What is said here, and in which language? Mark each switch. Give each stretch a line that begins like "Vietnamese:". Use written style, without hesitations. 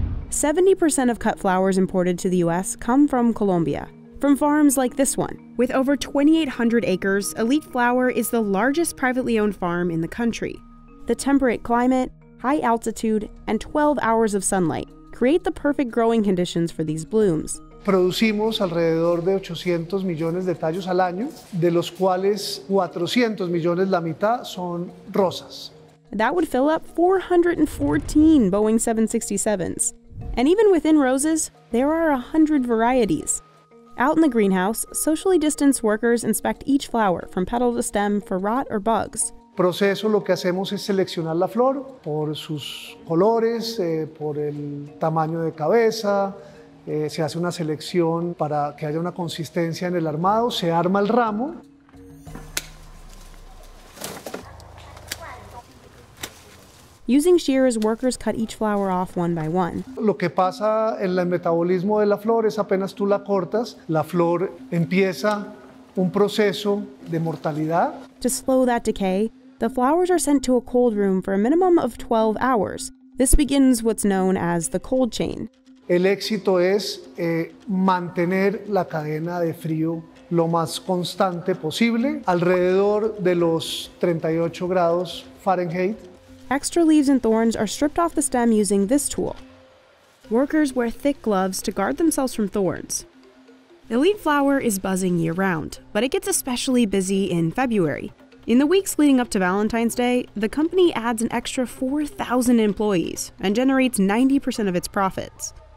English: 70% of cut flowers imported to the U.S. come from Colombia, from farms like this one. With over 2,800 acres, Elite Flower is the largest privately owned farm in the country. The temperate climate, high altitude, and 12 hours of sunlight create the perfect growing conditions for these blooms.
Spanish: Producimos alrededor de 800 millones de tallos al año, de los cuales 400 millones, la mitad, son rosas.
English: That would fill up 414 Boeing 767s. And even within roses, there are 100 varieties. Out in the greenhouse, socially distanced workers inspect each flower from petal to stem for rot or bugs.
Spanish: Proceso, lo que hacemos es seleccionar la flor por sus colores, por el tamaño de cabeza. Se hace una selección para que haya una consistencia en el armado. Se arma el ramo.
English: Using shears, workers cut each flower off one by one.
Spanish: Lo que pasa en el metabolismo de la flor es apenas tú la cortas, la flor empieza un proceso de mortalidad.
English: To slow that decay, the flowers are sent to a cold room for a minimum of 12 hours. This begins what's known as the cold chain.
Spanish: El éxito es mantener la cadena de frío lo más constante posible, alrededor de los 38 grados Fahrenheit.
English: Extra leaves and thorns are stripped off the stem using this tool. Workers wear thick gloves to guard themselves from thorns. Elite Flower is buzzing year-round, but it gets especially busy in February, In the weeks leading up to Valentine's Day, the company adds an extra 4,000 employees and generates 90% of its profits.